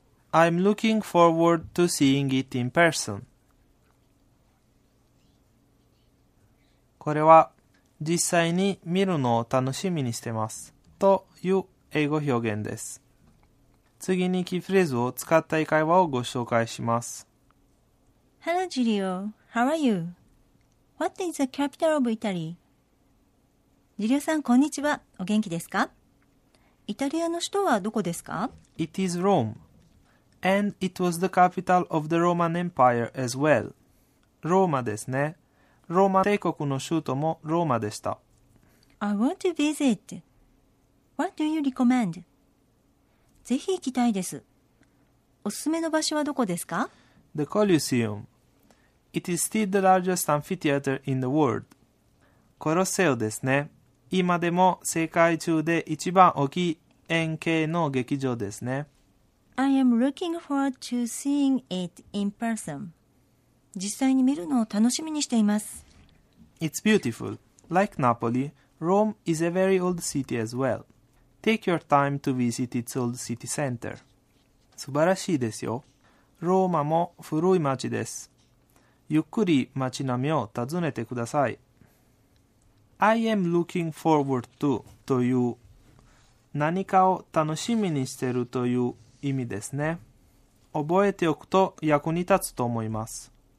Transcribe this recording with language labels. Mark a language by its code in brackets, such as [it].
[en] I'm looking forward to seeing it in person. [ja] これは、実際に見るのを楽しみにしてます。という英語表現です。次にキーフレーズを使った会話をご紹介します。 [en] Hello, Julio. How are you? What is the capital of Italy? [ja] ジリオさん、こんにちは。お元気ですか？イタリアの首都はどこですか？ [en] It is Rome. And it was the capital of the Roman Empire as well. [ja] ローマですね。ローマ帝国の首都もローマでした。 [en] I want to visit. What do you recommend? [ja] ぜひ行きたいです。おすすめの場所はどこですか？ [en] The Colosseum. It is still the largest amphitheater in the world. [ja] コロッセオですね。今でも世界中で一番大きい円形の劇場ですね。 [en] I am looking forward to seeing it in person. [ja] 実際に見るのを楽しみにしています。 [en] It's beautiful. Like Napoli, Rome is a very old city as well. Take your time to visit its old city center. [ja] 素晴らしいですよ。ローマも古い街です。ゆっくり街並みを訪ねてください。 [en] I am looking forward to [ja] という何かを楽しみにしているという意味ですね。覚えておくと役に立つと思います。